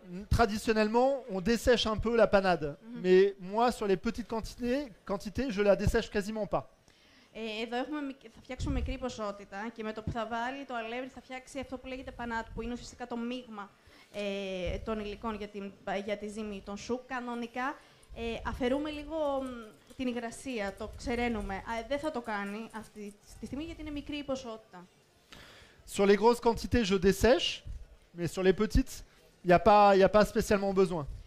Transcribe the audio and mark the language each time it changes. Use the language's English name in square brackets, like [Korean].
[French] Traditionnellement, on dessèche un peu la panade. Mais moi, sur les petites quantités, je la dessèche quasiment pas. [Greek] Εδώ έχουμε, θα φτιάξουμε μικρή ποσότητα και με το που θα βάλει το αλεύρι θα φτιάξει αυτό που λέγεται πανάτ, που είναι ουσιαστικά το μείγμα των υλικών για τη ζύμη των σουκ. Κανονικά αφαιρούμε λίγο την υγρασία, το ξεραίνουμε. Δεν θα το κάνει αυτή τη στιγμή γιατί είναι μικρή η ποσότητα. [French] Sur les grosses quantités, je dessèche, mais sur les petites, il n'y a pas spécialement besoin.